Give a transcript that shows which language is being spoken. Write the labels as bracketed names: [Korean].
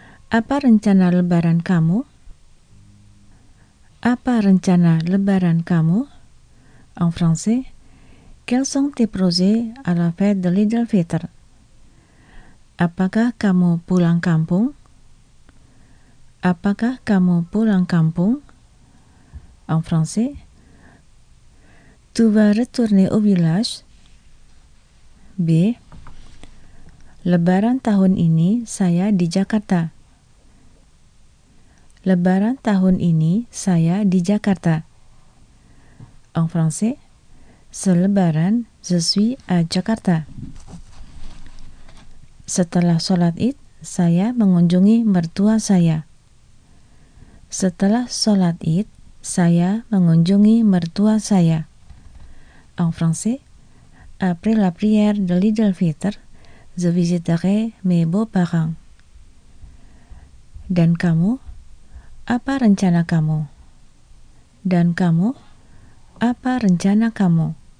[Indonesian] Apa rencana lebaran kamu? Apa rencana lebaran kamu? [French] En français, quels sont tes projets à la fête de l'Idul Fitr? [Indonesian] Apakah kamu pulang kampung? Apakah kamu pulang kampung? [French] En français, tu vas retourner au village? B. [Indonesian] Lebaran tahun ini saya di Jakarta. Lebaran tahun ini saya di Jakarta. [French] En français, ce lebaran, je suis à Jakarta. [Indonesian] Setelah sholat id, saya mengunjungi mertua saya. Setelah sholat id, saya mengunjungi mertua saya. [French] En français, après la prière de l'Idul Fitr, je visiterai mes beaux-parents. [Indonesian] Dan kamu, apa rencana kamu? Dan kamu, apa rencana kamu?